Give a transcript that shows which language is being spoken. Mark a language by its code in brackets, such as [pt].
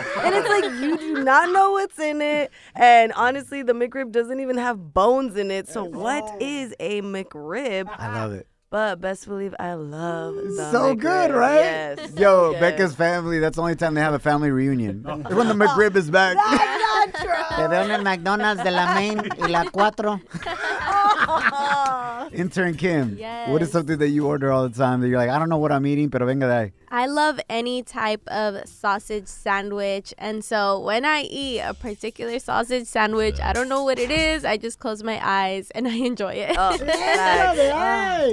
[en] And it's like, you do not know what's in it, and honestly, the McRib doesn't even have bones in it, so what is a McRib? I love it. But best believe I love the so McRib. Good, right? Yes. Yo, Becca's family, that's the only time they have a family reunion. When the McRib is back. That's not true. [es] Te veo en el McDonald's de la Main y la Cuatro. [en] Intern Kim, yes. What is something that you order all the time that you're like, I don't know what I'm eating, [es] pero venga de ahí. [en] I love any type of sausage sandwich. And so when I eat a particular sausage sandwich, I don't know what it is. I just close my eyes and I enjoy it.